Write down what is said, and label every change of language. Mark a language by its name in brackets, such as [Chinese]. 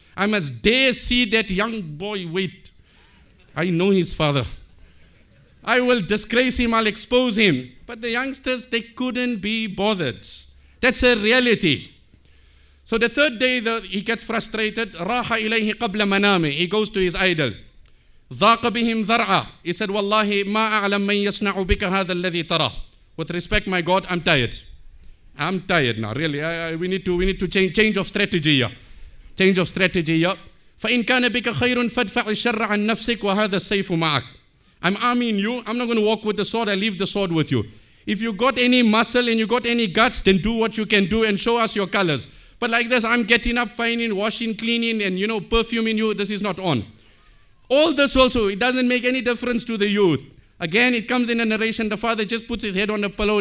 [English] I must dare see that young boy. Wait. I know his father. I will disgrace him. I'll expose him. But the youngsters, they couldn't be bothered. That's a reality. So the third day, he gets frustrated. [Arabic] Raha ilayhi qabla manami. [English] He goes to his idol. [Arabic] ذَاقَ بِهِمْ ذَرْعَى. [English] He said, [Arabic] وَاللَّهِ مَا أَعْلَمْ مَنْ يَصْنَعُ بِكَ هَذَا الَّذِي تَرَى. [English] With respect, my God, I'm tired now, really. We need to change of strategy here. Change of strategy here. [Arabic] فَإِنْ كَانَ بِكَ خَيْرٌ فَادْفَعِ الشَّرَّ عَنْ نَفْسِكَ وَهَذَا السَّيْفُ مَعَكَ. [English] I'm arming you. I'm not going to walk with the sword. I leave the sword with you. If you got any muscle and you got any guts, then do what you can do and show us your colors. But like this, I'm getting up, finding, washing, cleaning, and you know, perfuming you. This is not on. All this also, it doesn't make any difference to the youth. Again, it comes in a narration. The father just puts his head on a pillow.